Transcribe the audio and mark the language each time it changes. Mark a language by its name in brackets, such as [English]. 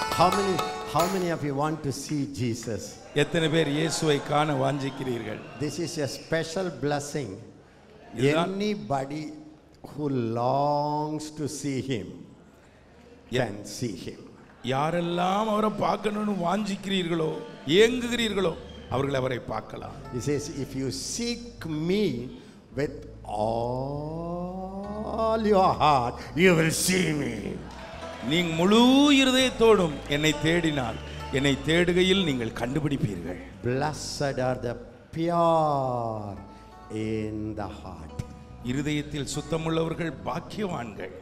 [English] How many of you want to see Jesus? [Tamil] எத்தனை பேர் இயேசுவை காண வாஞ்சிக்கிறீர்கள்? [English] This is a special blessing. Anybody who longs to see him can see him. [Tamil] யாரெல்லாம் அவரை பார்க்கணும்னு வாஞ்சிக்கிறீர்களோ, ஏங்குகிறீர்களோ, அவர்கள் அவரை பார்க்கலாம். [English] He says, if you seek me with all your heart, you will see me. [Tamil] நீங்கள் முழு இருதயத்தோடும் என்னை தேடினால், என்னை தேடுகையில் நீங்கள் கண்டுபிடிப்பீர்கள். [English] Blessed are the pure in the heart. [Tamil] இருதயத்தில் சுத்தமுள்ளவர்கள் பாக்கியவான்கள்.